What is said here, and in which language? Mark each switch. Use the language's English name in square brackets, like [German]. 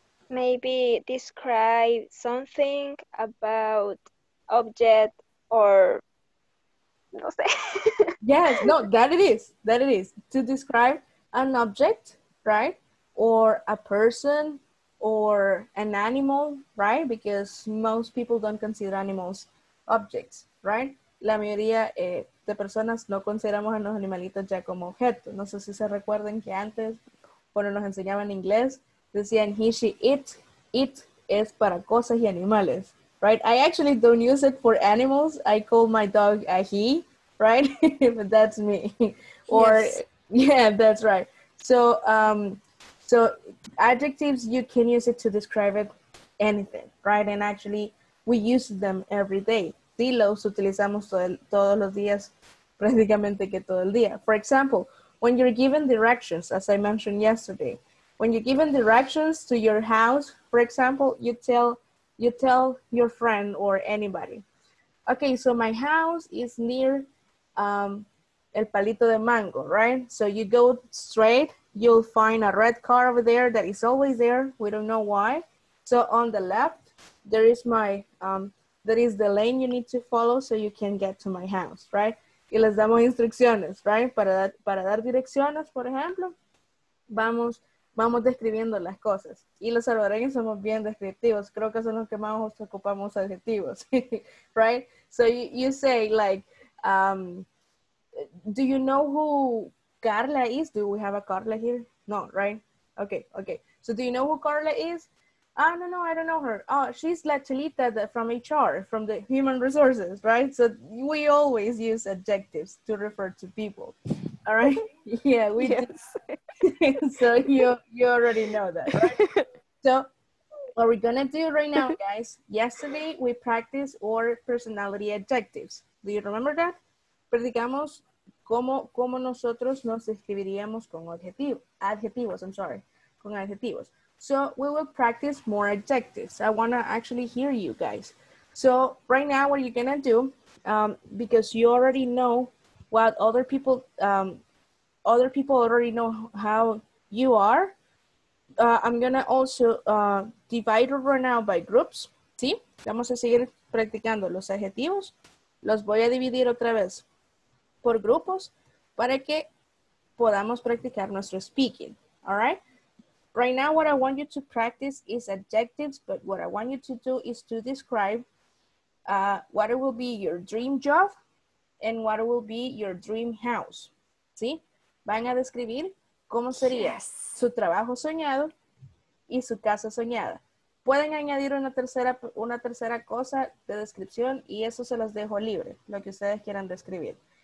[English] Maybe describe something about object or, [Spanish] no sé. [English] Yes, no, that it is. That it is. To describe an object, right? Or a person or an animal, right? Because most people don't consider animals objects, right? [Spanish] La mayoría de personas no consideramos a los animalitos ya como objetos. No sé si se recuerden que antes, cuando nos enseñaban inglés, decían he, she, it. [English] It [Spanish] es para cosas y animales, [English] right? I actually don't use it for animals. I call my dog a he, right? But that's me. Or, yes. Yeah, that's right. So, so adjectives, you can use it to describe it anything, right? And actually, we use them every day. [Spanish] Sí, los utilizamos todos los días, prácticamente que todo el día. [English] For example, when you're given directions, as I mentioned yesterday, when you're given directions to your house, for example, you tell your friend or anybody, okay, so my house is near El Palito de Mango, right? So you go straight, you'll find a red car over there that is always there. We don't know why. So on the left, there is my... that is the lane you need to follow so you can get to my house, right? [Spanish] Y les damos instrucciones, right? Para dar direcciones, por ejemplo, vamos describiendo las cosas. Y los salvadoreños somos bien descriptivos. Creo que son los que más ocupamos adjetivos, right? [English] So you say like, do you know who Carla is? Do we have a Carla here? No, right? Okay. So do you know who Carla is? Oh, no, I don't know her. Oh, she's La Chelita from HR, from the human resources, right? So we always use adjectives to refer to people, all right? Yeah, we do. So you already know that, right? So what we're going to do right now, guys, yesterday we practiced our personality adjectives. Do you remember that? [Spanish] Practicamos cómo nosotros nos describiríamos con adjetivos, [English] I'm sorry, [Spanish] con adjetivos. [English] So we will practice more adjectives. I want to actually hear you guys. So right now what you're going to do, because you already know what other people already know how you are, I'm going to also divide right now by groups. [Spanish] ¿Sí? Vamos a seguir practicando los adjetivos. Los voy a dividir otra vez por grupos para que podamos practicar nuestro speaking. [English] All right? Right now, what I want you to practice is adjectives, but what I want you to do is to describe what will be your dream job and what will be your dream house. [Spanish] ¿Sí? Van a describir cómo sería, yes, su trabajo soñado y su casa soñada. Pueden añadir una tercera cosa de descripción y eso se las dejo libre, lo que ustedes quieran describir.